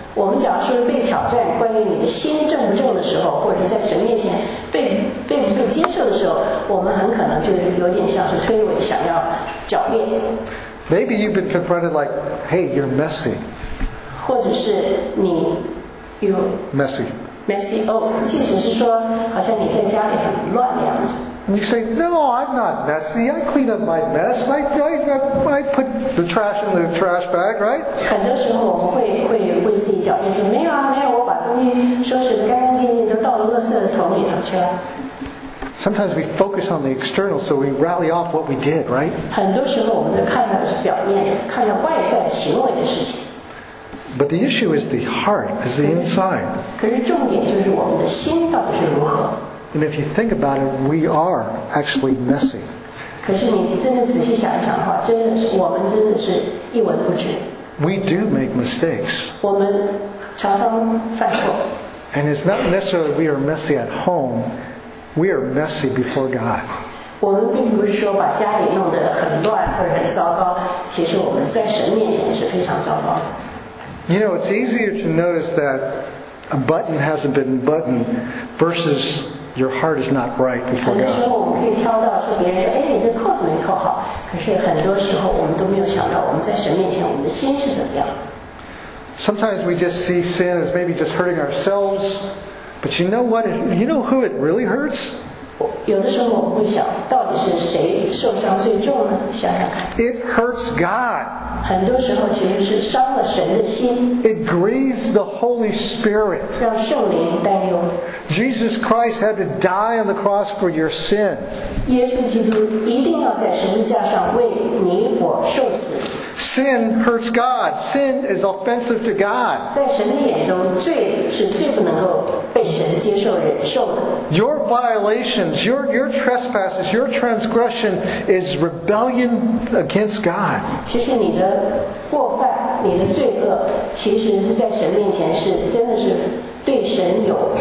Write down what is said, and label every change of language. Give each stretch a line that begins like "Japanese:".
Chinese: 我们假如说被挑战，关于你的心正不正的时候，或者在神面前被接受的时候，我们很可能就有点像是推诿，想要狡辩。
English: Maybe you've been confronted like, "Hey, you're messy."
Chinese: 或者是你
English: you messy. Messy.
Chinese: Oh, 即使是说好像你在家里很乱的样子。
English: And you say, no, I'm not messy. I clean up my mess. I put the trash in the trash bag, right?
Chinese: 很多时候我们会自己狡辩说，没有啊，没有，我把东西收拾得干干净净，都倒到垃圾桶里头去了。
English: Sometimes we focus on the external, so we rally off what we did, right?
Chinese: 很多时候我们都看到是表面，看到外在行为的事情。
English: But the issue is the heart, is the inside.
Chinese: 可是重点就是我们的心到底是如何。
English: And if you think about it, we are actually messy.
Chinese: 可是你真的仔细想一想的话，真的是我们真的是一文不值。
English: We do make mistakes.
Chinese: 我们常常犯错。
English: And it's not necessarily we are messy at home. We are messy before God.
Chinese: 我们并不是说把家里弄得很乱或者很糟糕，其实我们在神面前是非常糟糕的。
English: You know, it's easier to notice that a button hasn't been buttoned versus your heart is not right before God.
Chinese: 很多时候我们可以挑到说别人说，哎，你这扣子没扣好。可是很多时候我们都没有想到，我们在神面前，我们的心是怎么样。
English: Sometimes we just see sin as maybe just hurting ourselves, but you know what? You know who it really hurts?
Chinese: 有的时候我们会想到底是谁受伤最重呢？想想看。
English: It hurts God.
Chinese: 很多时候其实是伤了神的心。
English: It grieves the Holy Spirit.
Chinese: 让圣灵担忧。
English: Jesus Christ had to die on the cross for your sin.
Chinese: 耶稣基督一定要在十字架上为你我受死。
English: Sin hurts God. Sin is offensive to God.
Chinese: 在神的眼中，罪是最不能够被神接受忍受的。
English: Your violations, your trespasses, your transgression is rebellion against God.
Chinese: 其实你的过犯，你的罪恶，其实是在神面前是真的是对神有。